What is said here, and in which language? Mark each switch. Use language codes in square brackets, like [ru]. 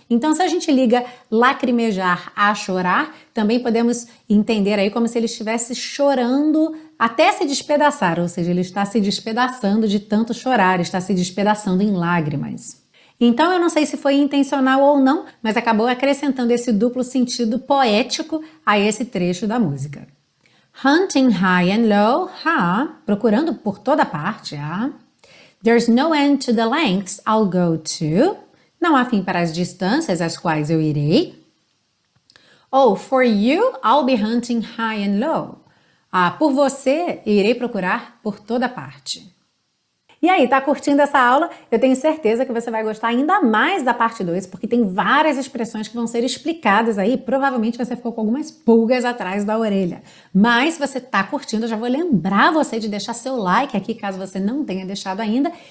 [pt] Então, se a gente liga lacrimejar a chorar, também podemos entender aí como se ele estivesse chorando até se despedaçar, ou seja, ele está se despedaçando de tanto chorar, está se despedaçando em lágrimas. Então, eu não sei se foi intencional ou não, mas acabou acrescentando esse duplo sentido poético a esse trecho da música. [en] Hunting high and low, ha, [pt] procurando por toda parte, [en] ha. There's no end to the lengths I'll go to. [pt] Não há fim para as distâncias às quais eu irei. [en] Oh, for you, I'll be hunting high and low. [pt] Ah, por você, irei procurar por toda parte. E aí, tá curtindo essa aula? Eu tenho certeza que você vai gostar ainda mais da parte 2, porque tem várias expressões que vão ser explicadas aí. Provavelmente você ficou com algumas pulgas atrás da orelha. Mas se você tá curtindo, eu já vou lembrar você de deixar seu like aqui caso você não tenha deixado ainda.